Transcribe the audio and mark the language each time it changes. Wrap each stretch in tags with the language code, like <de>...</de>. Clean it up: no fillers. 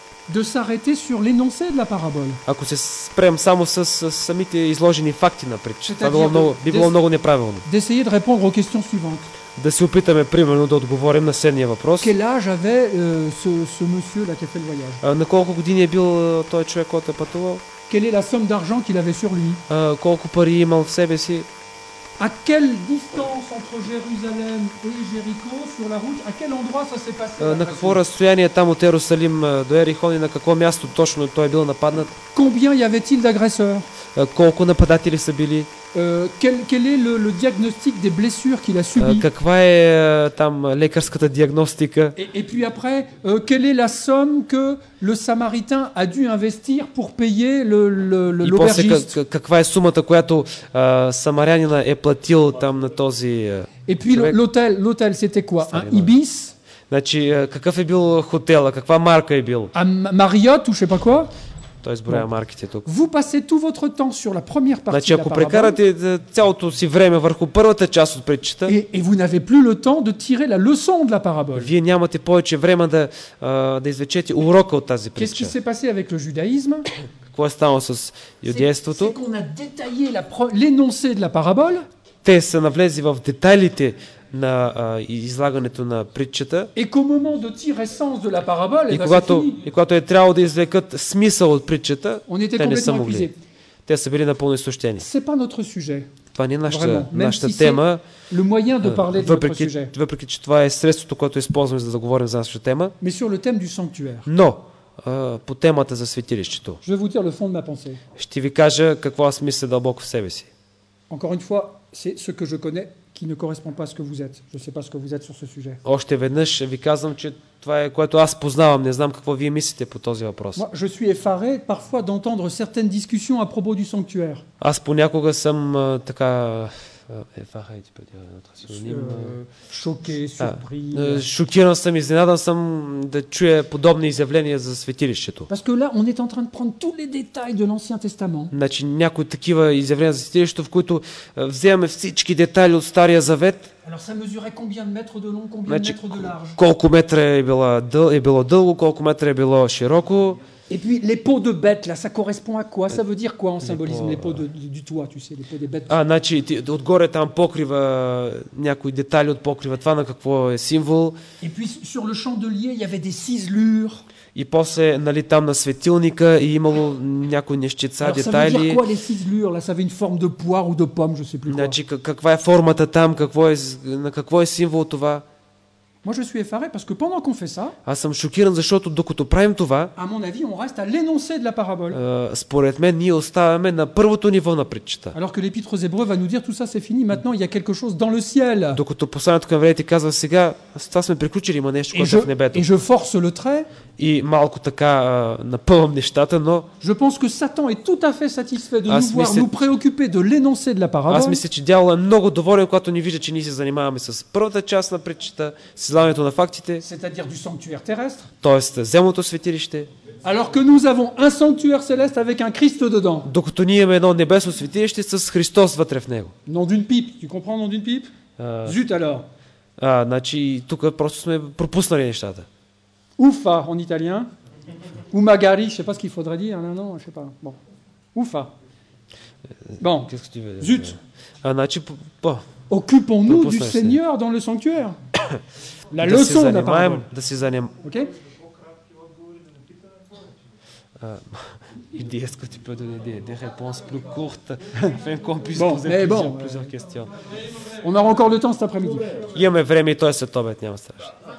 <fr>de s'arrêter sur l'énoncé de la parabole.</fr> <bg>Ако се спрем само с самите изложени факти на притчата, би било много неправилно.</bg> <fr>D'essayer de répondre aux questions suivantes.</fr> <bg>Да се опитаме примерно да отговорим на следния въпрос.</bg> <fr>Quel âge avait ce monsieur là qui a fait le voyage?</fr> <bg>На колко години е бил той човек, който е пътувал?</bg> <fr>Quelle est la somme d'argent qu'il avait sur lui?</fr> <bg>Колко пари имал в себе си?</bg> <fr>À quelle distance entre Jérusalem et Jéricho sur la route? À quel endroit ça s'est passé?</fr> <bg>На какво разстояние там от Йерусалим до Ерихон и на какво място точно той бил нападнат?</bg> <fr>Combien y avait-il d'agresseurs?</fr> <bg>колко нападатели са били.</bg> <fr>Quel est le diagnostic des blessures qu'il a subies?</fr> <bg>Каква е там лекарската диагностика?</bg> <fr>Et puis après, quelle est la somme que le Samaritain a dû investir pour payer le l'aubergiste?</fr> <bg>И после каква е сумата, която самарянина е платил там на този</bg> <fr>Et puis</fr> <bg>човек?</bg> <fr>L'hôtel c'était quoi? Un Ibis?</fr> <bg>Значи какъв е бил хотела, каква марка е бил?</bg> <fr>Un Marriott ou je sais pas quoi?</fr> <bg>Той изброя марките тук.</bg> <fr>Vous passez tout votre temps sur la première partie.</fr> <bg>Значи ако прекарате цялото си време върху първата част от притчата.</bg> <fr>Et vous n'avez plus le temps de tirer la leçon de la parabole.</fr> <bg>Вие нямате повече време да извлечете урока от тази притча.</bg> <fr>Qu'est-ce qui s'est passé avec le judaïsme?</fr> <bg>Какво е станало с юдейството?</bg> <fr>C'est qu'on a détaillé l'énoncé de la parabole.</fr> <bg>Те са навлезли в детайлите на излагането на притчата.</bg> <fr>Et qu'au moment de tirer sens de la parabole,</fr> <bg>и когато е трябвало да извлекат смисъл от притчата,</bg> <fr>on était complètement</fr> <bg>не са могли. Те са били напълно изтощени.</bg> <fr>C'est pas notre sujet.</fr> <bg>Това не е нашата</bg> <fr>si</fr> <bg>тема.</bg> <fr>Le moyen de parler</fr> <bg>въпреки,</bg> <fr>de notre sujet.</fr> <bg>Въпреки че това е средството, което използваме за да говорим за нашата тема.</bg> <fr>Mais sur le thème du sanctuaire.</fr> <bg>Но по темата за светилището.</bg> <fr>Je vais vous dire le fond de ma pensée.</fr> <bg>Ще ви кажа какво аз мисля дълбоко в себе си.</bg> <fr>Encore une fois, c'est ce que je connais qui ne correspond pas à ce que vous êtes. Je ne sais pas ce que vous êtes sur ce sujet.</fr> <bg>Още веднъж ви казвам, че това е което аз познавам. Не знам какво вие мислите по този въпрос.</bg> <fr>Moi, je suis effaré parfois d'entendre certaines discussions à propos du sanctuaire.</fr> <bg>Аз понякога съм така</bg> <fr>effaré, tu peux dire notre synonyme. Choqué, surpris.</fr> <bg>Шокиран съм, изненадан съм да чуя подобни изявления за светилището.</bg> <fr>Parce que là, on est en train de prendre tous les détails de l'Ancien Testament.</fr> <bg>Значи някои такива изявления за светилището, в които вземаме всички детайли от Стария Завет.</bg> <fr>Alors ça mesurait combien de mètres de long, combien de mètres de large?</fr> <bg>Колко метра е било дълго, колко метра е било широко?</bg> <fr>Et puis les peaux de bêtes là, ça correspond à quoi? Ça veut dire quoi en symbolisme les peaux du toit, tu sais, les peaux des bêtes?</fr> <bg>А, значи отгоре там покрива някои детайли от покрива. Това на какво е символ?</bg> <fr>Et puis sur le chandelier, il y avait des ciselures.</fr> <bg>И после нали там на светилника и имало някои нещица, детайли.</bg> <fr>Alors ça veut dire quoi les ciselures là? Ça avait une forme de poire ou de pomme, je sais plus quoi.</fr> <bg>Значи каква е формата там, какво е на какво е символ това?</bg> <fr>Moi je suis effaré parce que pendant qu'on fait ça,</fr> <bg>аз съм шокиран, защото докато правим това,</bg> <fr>à mon avis, on reste à l'énoncé de la parabole.</fr> <bg>Според мен ние оставаме на първото ниво на притчата.</bg> <fr>Alors que l'épître aux Hébreux va nous dire tout ça c'est fini, maintenant il y a quelque chose dans le ciel.</fr> <bg>Докато посланието към евреите казва сега, това сме приключили, има нещо, което е в небето.</bg> <fr>Et je force le trait.</fr> <bg>И малко така напълвам нещата, но</bg> <fr>je pense que Satan est tout à fait satisfait de nous voir нous préoccuper de l'énoncé de la parabole.</fr> <bg>Аз мисля, че дяволът е много доволен, когато ни вижда, че ние се занимаваме с първата част на притчата. Знанието на фактите,</bg> <fr>c'est-à-dire du sanctuaire terrestre.</fr> <bg>Тоест, земното светилище.</bg> <fr>Alors que nous avons un sanctuaire céleste avec un Christ dedans.</fr> <bg>Докато ние имаме едно небесно светилище с Христос вътре в него.</bg> <fr>Non d'une pipe, tu comprends non d'une pipe? Zut alors.</fr> <bg>Значи тук просто сме пропуснали нещата.</bg> <fr>Уфа en italien. Ou magari, je sais pas ce qu'il faudrait dire, non, je sais pas. Bon. Уфа. Bon, qu'est-ce que tu veux? Zut. Значи bon. Occupons-nous du Seigneur dans le sanctuaire. La leçon de la parabole.</fr> <bg>Да се занимаем.</bg> <fr>OK? Il dit est-ce que tu peux donner des réponses plus courtes afin qu'on puisse poser plusieurs questions. On aura encore le temps cet après-midi. Il y a même</fr> <bg>время то есть обед, няма страшно.</bg>